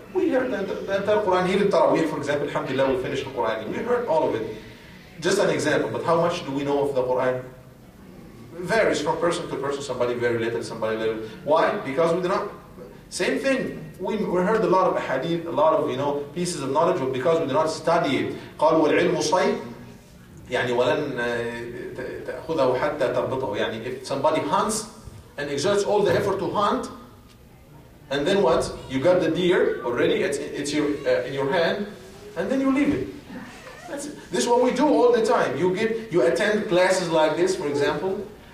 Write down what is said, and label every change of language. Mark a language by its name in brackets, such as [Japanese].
[English] We heard the entire Quran here in Taraweeh, for example. Alhamdulillah, we finished the Quran. We heard all of it. Just an example, but how much do we know of the Quran? Varies from person to person. Somebody very little, somebody little. Why? Because we do not. Same thing. We heard a lot of hadith, a lot of you know pieces of knowledge, but because we do not study it. [Arabic] قالوا العلم صيف يعني ولن تأخذه حتى تربطه. [English] يعني if somebody hunts and exerts all the effort to hunt, and then what? You got the deer already. It's in your hand, and then you leave it. That's it. This is what we do all the time. You attend classes like this, for example.